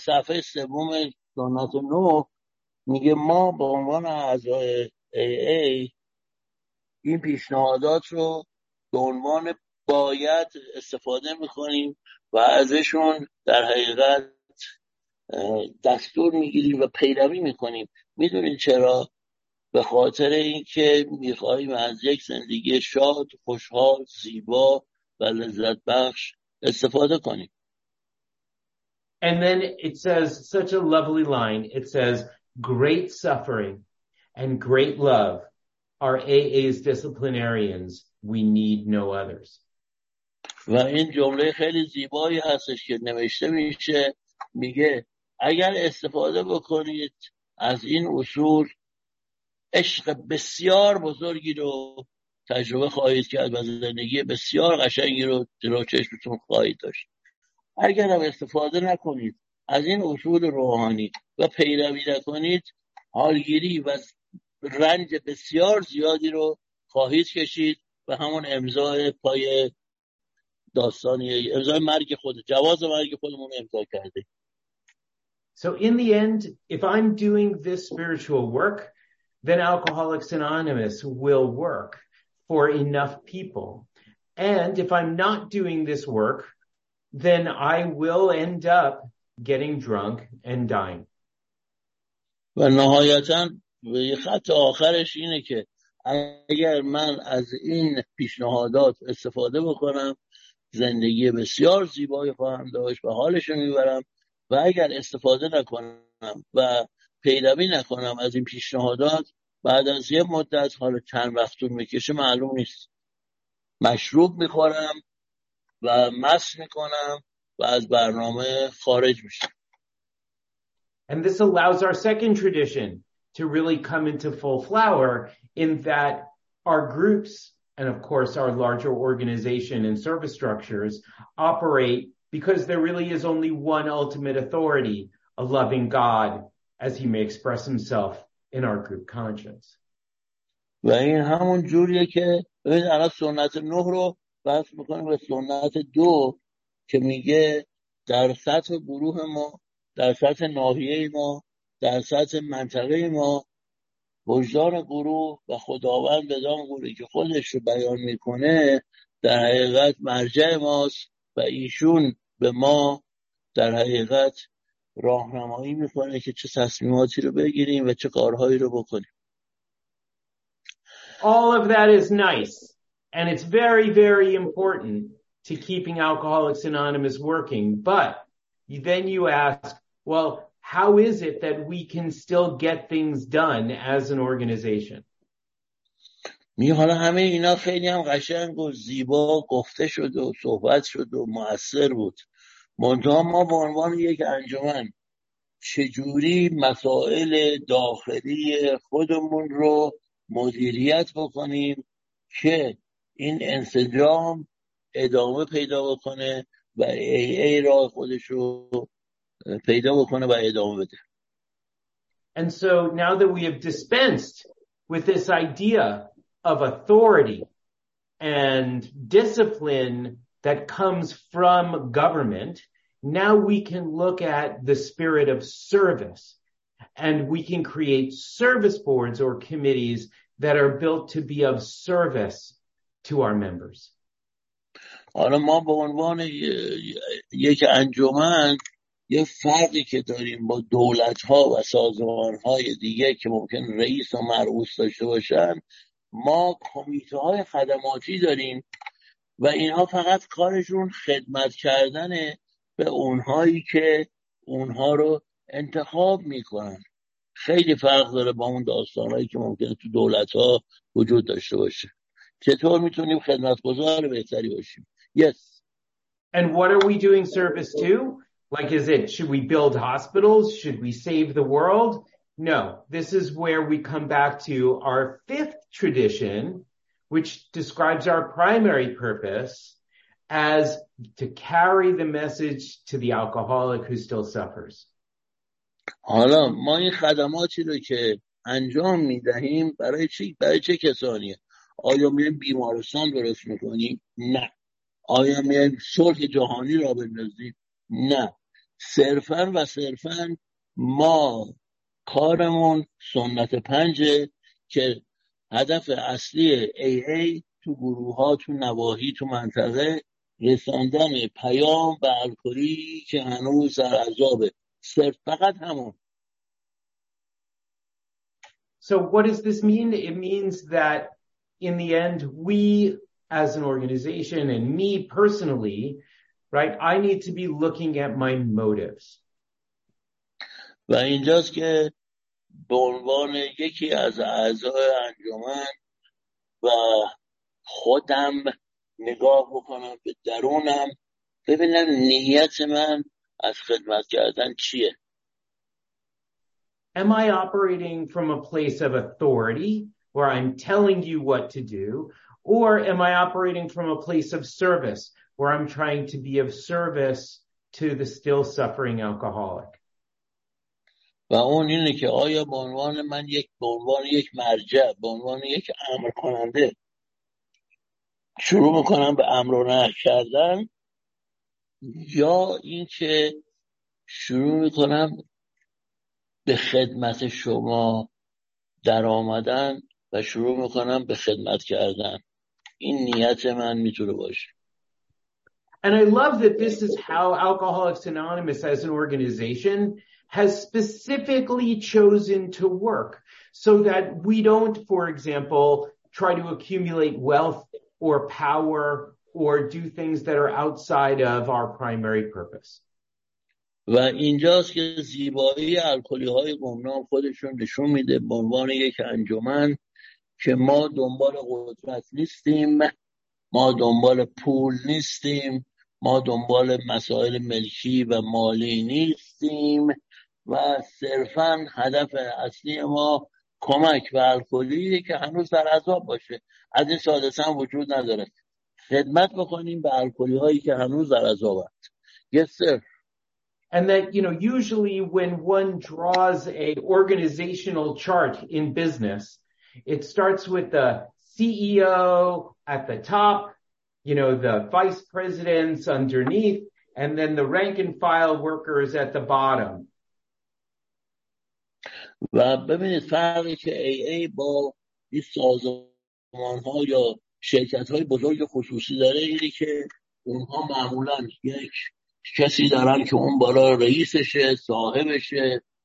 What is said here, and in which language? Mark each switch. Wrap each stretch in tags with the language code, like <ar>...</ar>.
<fa>سنت نو میگه ما به عنوان اعضای AA این پیشنهادات رو به عنوان باید استفاده میکنیم و ازشون در حقیقت دستور میگیریم و پیروی میکنیم. میدونین چرا؟ به خاطر اینکه میخواییم از یک زندگی شاد، خوشحال، زیبا و لذت بخش استفاده کنیم.</fa> <en>And then it says such a lovely line. It says, great suffering and great love are AA's disciplinarians. We need no others.</en> <fa>و این جمله خیلی زیبایی هستش که نوشته میشه. میگه اگر استفاده بکنید از این اصول، عشق بسیار بزرگی رو تجربه خواهید کرد و زندگی بسیار قشنگی رو جلو چشمتون خواهید داشت. اگر هم استفاده نکنید از این اصول روحانی و پیروی نکنید، حالگیری و رنج بسیار زیادی رو خواهید کشید و همون امضای پای داستانی امضای مرگ خود، جواز مرگ خودمون امضا کرده.</fa> <en>So in the end, if I'm doing this spiritual work, then Alcoholics Anonymous will work for enough people. And if I'm not doing this work, then I will end up getting drunk and dying.</en> <fa>و نهایتاً خط آخرش اینه که اگر من از این پیشنهادات استفاده بکنم زندگی بسیار زیبایی خواهم داشت و حالشو میبرم، و اگر استفاده نکنم و پیروی نکنم از این پیشنهادات، بعد از یه مدت، حالا چند وقت طول میکشه معلوم نیست، مشروب میخورم و مست میکنم و از برنامه خارج میشم.</fa> <en>And this allows our second tradition to really come into full flower, in that our groups and of course our larger organization and service structures operate because there really is only one ultimate authority, a loving God, as he may express himself in our group conscience.</en> <fa>و این همون جوریه که این الان سنت 9 رو بس میکنیم به سنت 2 که میگه در سطح گروه ما، در سطح ناحیه ما، در سطح منطقه ما، وجدان گروه و خداوند بدان گروهی که خودش رو بیان میکنه در حقیقت مرجع ماست و ایشون به ما در حقیقت راهنمایی میکنه که چه تصمیماتی رو بگیریم و چه کارهایی رو بکنیم.</fa> <en>All of that is nice and it's very very important to keeping Alcoholics Anonymous working, but then you ask, well, how is it that we can still get things done as an organization?</en> <fa>می حالا همه اینا خیلی هم قشنگ و زیبا گفته شد و صحبت شد و مؤثر بود. منتها ما به عنوان یک انجمن چجوری مسائل داخلی خودمون رو مدیریت بکنیم که این انسجام ادامه پیدا بکنه و AA راه خودش رو پیدا بکنه و ادامه بده.</fa> <en>And so now that we have dispensed with this idea of authority and discipline that comes from government, now we can look at the spirit of service, and we can create service boards or committees that are built to be of service to our members.</en> <fa>حالا ما به عنوان یک انجمن یه فرقی که داریم با دولت‌ها و سازمان‌های دیگه که ممکن رئیس و مرؤوس داشته باشن، ما کمیته‌های خدماتی داریم و اینها فقط کارشون خدمت کردن به اونهایی که اونها رو انتخاب می‌کنن. خیلی فرق داره با اون داستانایی که ممکنه تو دولت‌ها وجود داشته باشه. چطور می‌تونیم خدمتگزار بهتری باشیم؟</fa> <en>Yes. And what are we doing service to? Like, is it, should we build hospitals? Should we save the world? No. This is where we come back to our fifth tradition, which describes our primary purpose as to carry the message to the alcoholic who still suffers.</en> <fa>حالا ما این خدماتی رو که انجام میدهیم برای چی؟ برای چه کسانیه؟ آیا میایم بیمارستان درست میکنیم؟ نه. آیا میایم صلح جهانی را بندازیم؟ نه. صرفاً و صرفاً ما کارمون سنت 5 که هدف اصلی AA تو گروه ها، تو نواحی، تو منطقه رساندن پیام به الکلی که هنوز در عذابه، صرف فقط همون.</fa> <en>So what does this mean? It means that in the end we as an organization and me personally, right, I need to be looking at my motives.</en> <fa>و اینجاست که به عنوان یکی از اعضای انجمن و خودم نگاه بکنم به درونم، ببینم نیت من از خدمت کردن چیه.</fa> <en>Am I operating from a place of authority where I'm telling you what to do, or am I operating from a place of service where I'm trying to be of service to the still suffering alcoholic?</en> <fa>و اون اینه که آیا به عنوان من یک، به عنوان یک مرجع، به عنوان یک امر کننده شروع میکنم به امر و نهی کردن، یا اینکه شروع میکنم به خدمت شما در آمدن و شروع میکنم به خدمت کردن. این نیت من میتونه باشه.</fa> <en>And I love that this is how Alcoholics Anonymous as an organization has specifically chosen to work so that we don't, for example, try to accumulate wealth or power or do things that are outside of our primary purpose.</en> <fa>و اینجاست که زیبایی الکلی‌های گمنام خودشون نشون میده به عنوان یک انجمن که ما دنبال قدرت نیستیم، ما دنبال پول نیستیم، ما دنبال مسائل ملکی و مالی نیستیم و صرفاً هدف اصلی ما کمک به الکلیه که هنوز در عذاب باشه، از این سادسن وجود نداره، خدمت بکنیم به الکلی‌هایی که هنوز در عذاب هست.</fa> <en>Yes, sir. And that, you know, usually when one draws a organizational chart in business, it starts with the CEO at the top, you know, the vice presidents underneath, and then the rank and file workers at the bottom. Well,</en> <fa>ببینید فرقی که AA با این سازمان‌ها یا شرکت‌های بزرگ خصوصی داره اینه که اونها معمولاً یک کسی دارن که اون بالا رئیسشه، صاحبشه،</fa>